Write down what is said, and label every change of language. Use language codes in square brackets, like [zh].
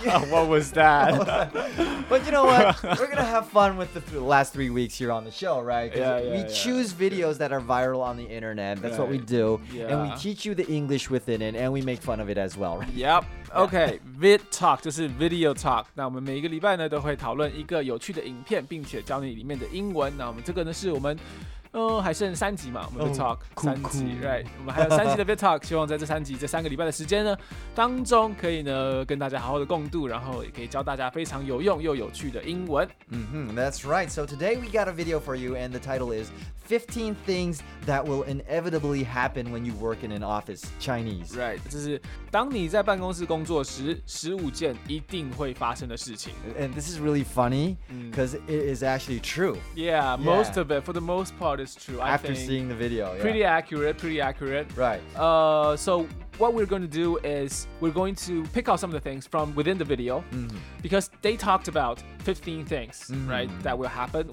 [en] What was that? But you know what? We're going to have fun with the last 3 weeks here on the show, right? Yeah, we choose videos that are viral on the internet. That's right. What we do. Yeah. And we teach you the English within it, and we make fun of it as well, right? Yep. Okay, Vid Talk [zh] 就是 [en] Video Talk。 [zh] 那我们每一个礼拜呢，都会讨论一个有趣的影片，并且教你里面的英文。那我们这个呢，是我们还剩三集嘛，我们 VidTalk 三集 ，right？我们还有三集的 VidTalk， 希望在这三集这三个礼拜的时间呢当中，可以呢跟大家好好的共度，然后也可以教大家非常有用又有趣的英文。 [en] 嗯哼 ，That's right. So today we got a video for you, and the title is 15 things that will inevitably happen when you work in an office Chinese. Right. [zh] 这是当你在办公室工作时，十五件一定会发生的事情。 [en] And this is really funny because it is actually true. Yeah, most of it, for the most part. Is true. After seeing the video, yeah. Pretty accurate. Right. So what we're going to do is we're going to pick out some of the things from within the video, mm-hmm. because they talked about 15 things, mm-hmm. right, that will happen.